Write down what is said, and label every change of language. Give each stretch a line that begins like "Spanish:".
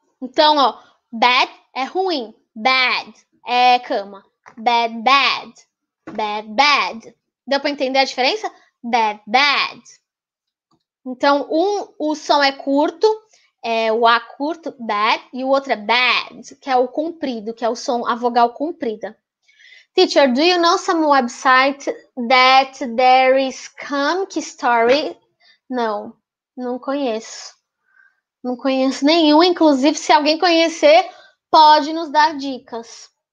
Portuguese: Então, ó, bad é ruim. Bad é cama. Bad, bad. Bad, bad. Deu para entender a diferença? Bad, bad. Então, o som é curto, é o A curto, bad, e o outro é bad, que é o comprido, que é o som, a vogal comprida.
English: Teacher, do you know some website that there is come story?
Portuguese: Não, não conheço. Não conheço nenhum, inclusive, se alguém conhecer, pode nos dar dicas.